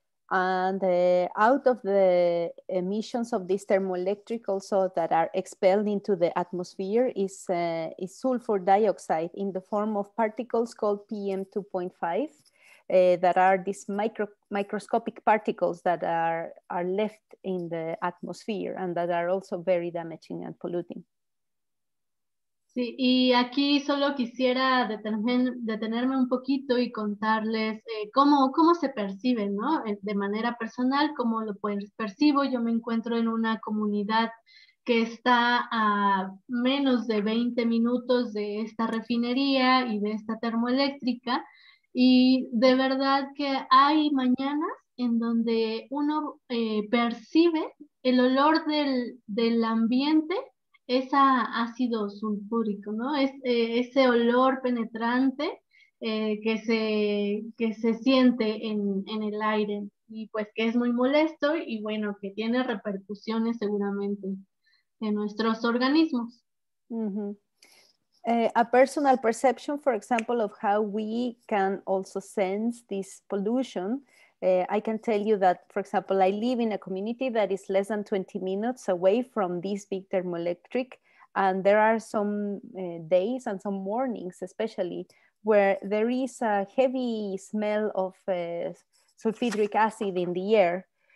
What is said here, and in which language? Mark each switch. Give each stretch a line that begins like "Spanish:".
English: And out of the emissions of this thermoelectric also that are expelled into the atmosphere is sulfur dioxide in the form of particles called PM2.5 that are these microscopic particles that are left in the atmosphere and that are also very damaging and polluting.
Spanish: Sí, y aquí solo quisiera detenerme un poquito y contarles cómo se percibe, ¿no? De manera personal, cómo lo percibo. Yo me encuentro en una comunidad que está a menos de 20 minutos de esta refinería y de esta termoeléctrica, y de verdad que hay mañanas en donde uno percibe el olor del ambiente. Es ácido sulfúrico, ¿no? Es ese olor penetrante que se siente en el aire y pues que es muy molesto y bueno, que tiene repercusiones seguramente en nuestros organismos. Mm-hmm.
English: A personal perception, for example, of how we can also sense this pollution. I can tell you that, for example, I live in a community that is less than 20 minutes away from this big thermoelectric, And there are some days and some mornings, especially, where there is a heavy smell of sulfuric acid in the air.